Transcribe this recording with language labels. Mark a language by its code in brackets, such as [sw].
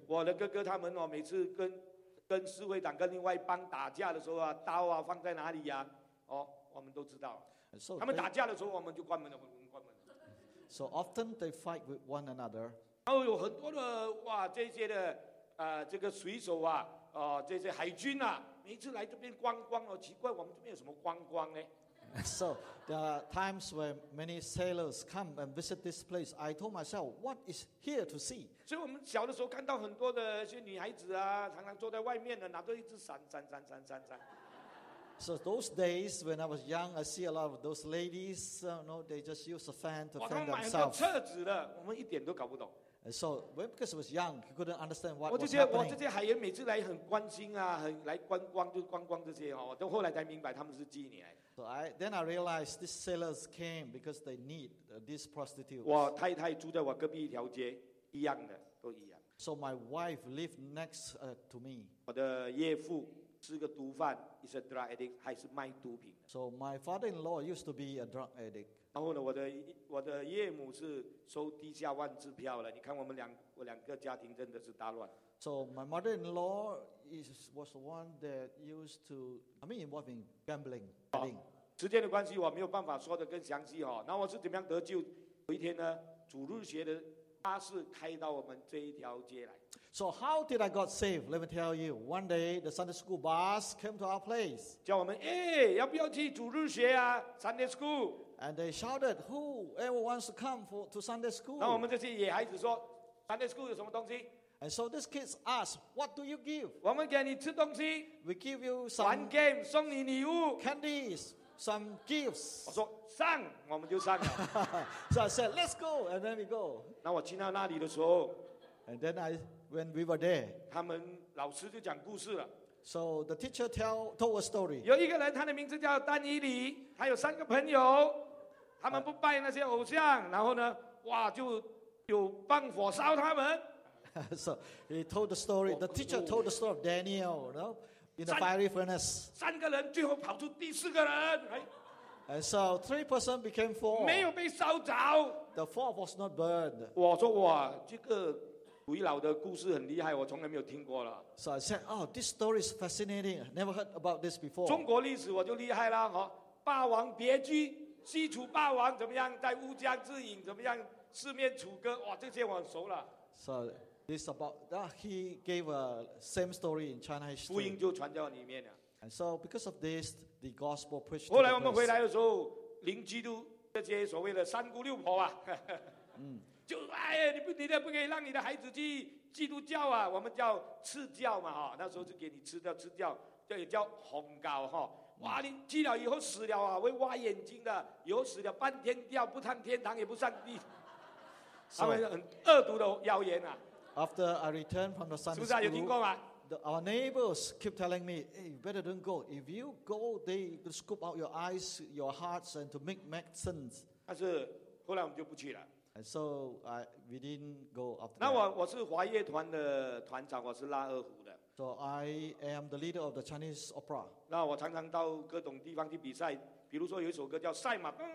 [zh] 我的哥哥他们哦，每次跟跟示威党跟另外一帮打架的时候啊，刀啊放在哪里啊，哦，我们都知道。 [en] So, [zh] 他们打架的时候，我们就关门了，我们关门了。 [en] So often they fight with one another. [zh] 然后有很多的哇，这些的这个水手啊，这些海军啊，每次来这边观光哦，奇怪，我们这边有什么观光呢？ [en] So there are times when many sailors come and visit this place. I told myself, what is here to see? [zh] 所以我们小的时候看到很多的一些女孩子啊，常常坐在外面的，拿着一支伞，伞伞伞伞伞。 [en] So those days when I was young, I see a lot of those ladies. They just use a fan to fend themselves. [zh] 我买很多册子的，我们一点都搞不懂。 [en] And so because I was young, he couldn't understand what was happening. [zh] 我这些海员每次来很关心啊，很来观光，就观光这些哦，都后来才明白他们是妓女。 [en] So I realized these sailors came because they need these prostitutes. [zh] 我太太住在我隔壁一条街，一样的，都一样。 [en] So my wife lived next to me. [zh] 我的岳父是个毒贩 ， [en] is a drug addict， [zh] 还是卖毒品的。 [en] So my father-in-law used to be a drug addict. [zh] 然后呢，我的岳母是收地下万支票了。你看我两个家庭真的是大乱。 [en] So my mother-in-law was the one that used to, I mean, involved in gambling. [zh] 时间的关系，我没有办法说的更详细哈。那我是怎么样得救？有一天呢，主日学的巴士开到我们这一条街来。 [en] So how did I got saved? Let me tell you. One day, the Sunday school bus came to our place. [zh] 叫我们，要不要去主日学啊 ？ [en] Sunday school. And they shouted, "Who ever wants to come to Sunday school?" [zh] 那我们这些野孩子说 ，Sunday school 有什么东西？ [en] And so these kids ask, what do you give? [zh] 我们给你吃东西。 [en] We give you some fun game, [zh] 送你礼物。 [en] Candies, some gifts. [zh] 我说上，我们就上了。 [en] So I said, let's go, and then we go. [zh] 那我进到那里的时候 [en] ，and then when we were there, [zh] 他们老师就讲故事了。 [en] So the teacher told a story. [zh] 有一个人，他的名字叫丹尼里，他有三个朋友，他们不拜那些偶像，然后呢，哇，就有放火烧他们。 [en] So he told the story. The teacher told the story of Daniel, you know, in the fiery furnace. [zh] 三个人最后跑出第四个人。 [en] And so three persons became four. [zh] 没有被烧着。 [en] The fourth was not burned. [zh] 我说哇，这个鬼佬的故事很厉害，我从来没有听过了。 [en] So I said, oh, this story is fascinating. I never heard about this before. [zh] 中国历史我就厉害了哈，《霸王别姬》，西楚霸王怎么样，在乌江之隐怎么样，四面楚歌，哇，这些我很熟了。 [en] So. This about that he gave a same story in China history. [zh] 福音就传到里面了。 [en] And so because of this, the gospel preached. [zh] 后来我们回来的时候，邻居都这些所谓的三姑六婆啊，就你不可以让你的孩子去基督教啊，我们叫赤教嘛哈，那时候就给你赤教，这也叫红膏哈。哇，你去了以后死了啊，会挖眼睛的，以后死了半天掉，不上天堂也不上地，他们很恶毒的谣言啊。 [en] After I returned from the Sunday school, our neighbors keep telling me, "Hey, you better don't go. If you go, they will scoop out your eyes, your hearts, and to make medicines." [zh] 但是后来我们就不去了。 [en] And so we didn't go after. [zh] 那我是华乐团的团长，我是拉二胡的。 [en] So I am the leader of the Chinese opera. [zh] 那我常常到各种地方去比赛，比如说有一首歌叫《赛马》。